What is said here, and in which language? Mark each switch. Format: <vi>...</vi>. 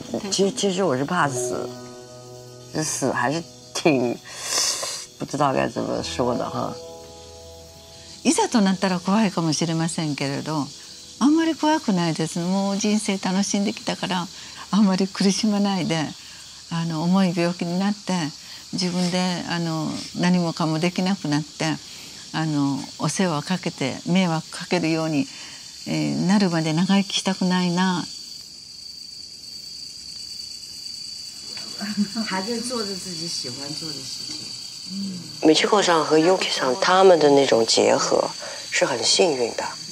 <zh>其实我是怕死，这死还是挺不知道该怎么说的哈。</zh> <ja>いざとなったら怖いかもしれませんけれど、あんまり怖くないです。もう人生楽しんできたから、あんまり苦しまないで、重い病気になって、自分で何もかもできなくなって、お世話かけて迷惑かけるように、なるまで長生きしたくないな。</ja> <zh>还是做着自己喜欢做的事情。美智子さん和 Yuki さん他们的那种结合是很幸运的。</zh>